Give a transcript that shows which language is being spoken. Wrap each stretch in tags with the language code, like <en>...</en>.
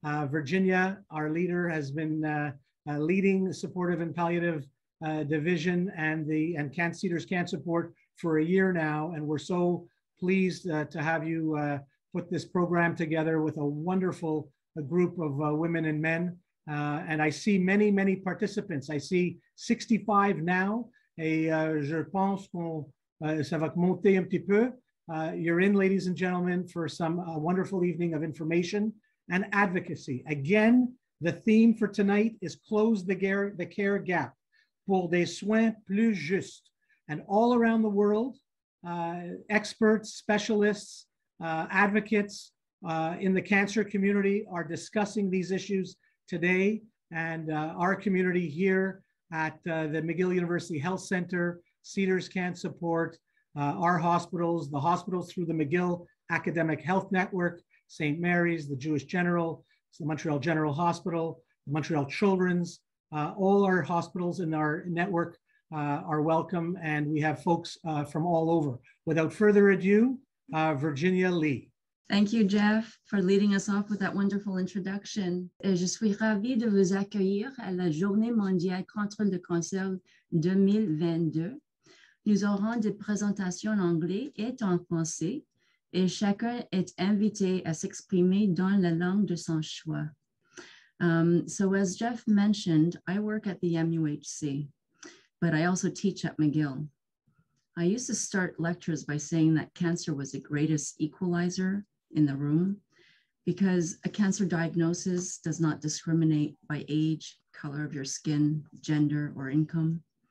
<en>Virginia, our leader, has been leading the supportive and palliative division and Cedars cancer support for a year now, and we're so pleased to have you put this program together with a wonderful group of women and men. And I see many, many participants. I see 65 now.</en> <fr>Je pense qu'on ça va monter un petit peu.</fr> <en>You're in, ladies and gentlemen, for some wonderful evening of information and advocacy. Again, the theme for tonight is close the care gap</en> <fr>pour des soins plus justes.</fr> <en>And all around the world, experts, specialists, advocates in the cancer community are discussing these issues today. And our community here at the McGill University Health Center, Cedars Cancer Support, our hospitals, the hospitals through the McGill Academic Health Network, St. Mary's, the Jewish General, the Montreal General Hospital, the Montreal Children's, all our hospitals in our network are welcome, and we have folks from all over. Without further ado, Virginia Lee. Thank you, Jeff, for leading us off with that wonderful introduction.</en> <fr>Et je suis ravie de vous accueillir à la Journée mondiale contre le cancer 2022. Nous aurons des présentations en anglais et en français, et chacun est invité à s'exprimer dans la langue de son choix.</fr> <en>So as Jeff mentioned, I work at the MUHC, but I also teach at McGill. I used to start lectures by saying that cancer was the greatest equalizer in the room because a cancer diagnosis does not discriminate by age, color of your skin, gender, or income.</en>